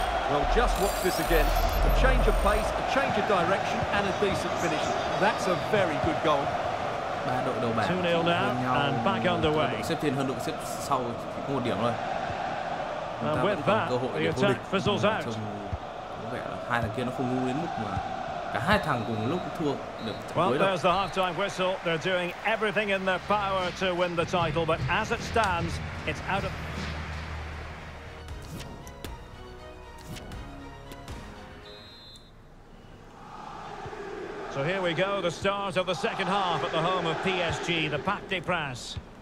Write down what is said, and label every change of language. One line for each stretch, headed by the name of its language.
English: Well, just watch this again. A change of pace, a change of direction, and a decent finish. That's a very good goal.
Vietnamese: 3 đội đầu bảng.
English: 2-0 now and back underway.
Vietnamese: Đội xếp trên hơn đội xếp sau chỉ có một điểm thôi.
English: And with that, the attack fizzles out.
Vietnamese: Có vẻ là hai thằng kia nó không ngu đến mức mà cả hai thằng cùng lúc thua được.
English: Well, there's the halftime whistle. They're doing everything in their power to win the title, but as it stands, it's out of. So here we go, the start of the second half at the home of PSG, the Parc des Princes.